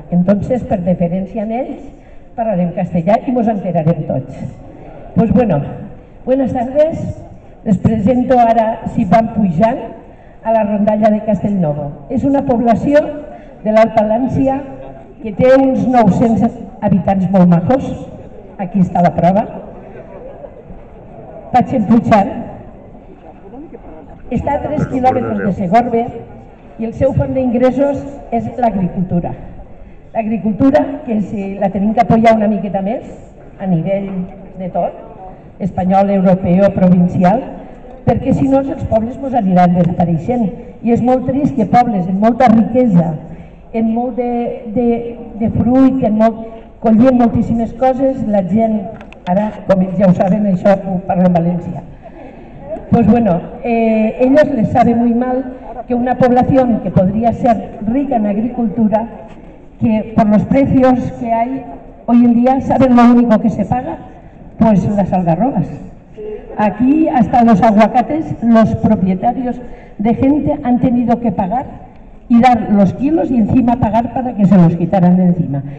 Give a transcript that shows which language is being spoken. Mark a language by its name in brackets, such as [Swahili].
[Catalan] Entonces, per deferència en ells, parlarem castellà i mos enterarem tots. [Spanish] Pues bueno, buenas tardes. [Catalan] Les presento ara, si van pujant, a la rondalla de Castellnovo. És una població de l'Alt Palància que té uns 900 habitants molt majos. Aquí està la prova. Vaig empujant. Està a 3 quilòmetres de Segorbe, i el seu font d'ingressos és l'agricultura. L'agricultura, que si la tenim que apoyar una miqueta més, a nivell de tot, espanyol, europeu, provincial, perquè si no els pobles ens aniran desapareixent. I és molt trist que pobles amb molta riquesa, amb molt de fruit, amb molt, collien moltíssimes coses, la gent, ara com ells ja ho saben, això ho parlo en València. [Spanish] Pues bueno, ellos les sabe muy mal que una población que podría ser rica en agricultura, que por los precios que hay hoy en día, ¿saben lo único que se paga? Pues las algarrobas. Aquí hasta los aguacates, los propietarios de gente han tenido que pagar y dar los kilos y encima pagar para que se los quitaran de encima.